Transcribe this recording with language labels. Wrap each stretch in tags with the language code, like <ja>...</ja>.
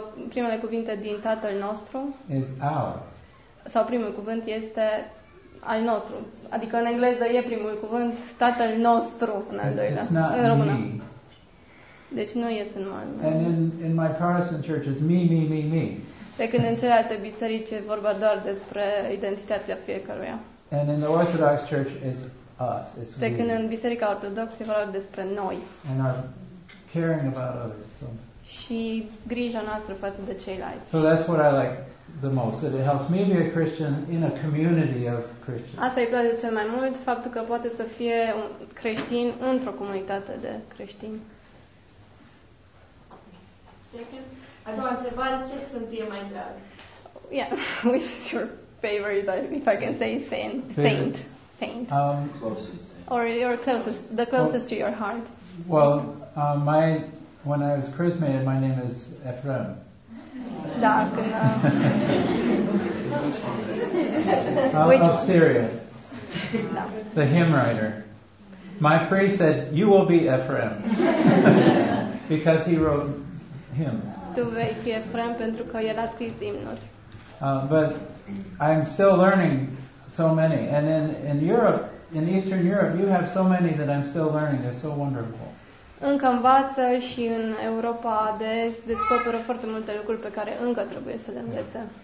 <ro>primele cuvinte din Tatăl nostru,</ro> <en>is our.</en> <ro>Sau primul cuvânt este al nostru. Adică în engleză e primul cuvânt, Tatăl nostru, în al doilea.</ro> <en>It's not</en> <ro>în română.</ro> <en>Me.</en> <ro>Deci nu este normal.</ro> <en>And in my Protestant churches, me, me, me, me.</en> <ro>Pe când în celelalte biserici e vorba doar despre identitatea fiecăruia.</ro> <en>And in the Orthodox Church, it's us, it's</en> <ro>we. Pe când în biserica ortodoxă e vorba despre noi.</ro> <en>And our caring about others. So.</en> <ro>Și grija noastră față de ceilalți.</ro> <en>So that's what I like the most, that it helps me be a Christian in a community of Christians. Asta îi place cel mai mult, faptul că poate să fie un creștin într-o comunitate de creștini.</en> <ro>A doua întrebare, ce sfânt e mai drag?</ro> <en>Yeah, which is your favorite, if I can say saint? Saint. Saint. Closest. Or your closest, the closest to your heart. Well, when I was chrismated, my name is Ephraim.</en> <ro>Da,</ro> <en>which of Syria. The hymn writer. My priest said, you will be Ephraim. Because he wrote hymns.</en> <ro>tu vei fi Efrem pentru că el a scris imnuri.</ro> <en>But I'm still learning so many. And in Europe, in Eastern Europe, you have so many that I'm still learning. They're so wonderful.</en> <ro>Încă învață și în Europa de Est descoperă foarte multe lucruri pe care încă trebuie să le învețe.</ro>